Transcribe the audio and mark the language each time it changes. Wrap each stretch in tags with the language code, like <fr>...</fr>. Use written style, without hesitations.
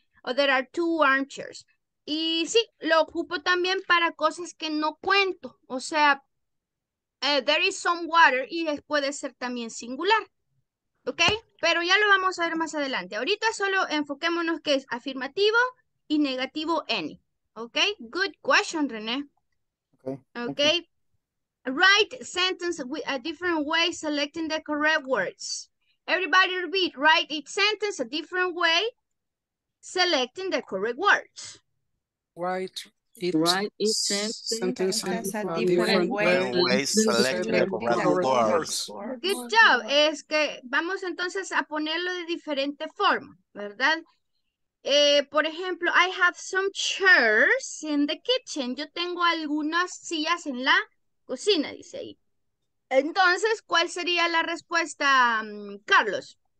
<es>O</es> <en>there are two armchairs.</en> <es>Y sí, lo ocupo también para cosas que no cuento. O sea,</es> <en>there is some water</en> <es>y puede ser también singular, ¿ok? Pero ya lo vamos a ver más adelante. Ahorita solo enfoquémonos que es afirmativo y negativo any, ¿ok?</es> <en>Good question, René. Okay. Write sentence with a different way, selecting the correct words. Everybody repeat. Write each sentence a different way, selecting the correct words. Write each sentence a different way, selecting the correct words. Good job.</en> <es>Es que vamos entonces a ponerlo de diferente forma, ¿verdad? Por ejemplo,</es> <en>I have some chairs in the kitchen.</en> <es>Yo tengo algunas sillas en la cocina, dice ahí. Entonces, ¿cuál sería la respuesta, Carlos?</es>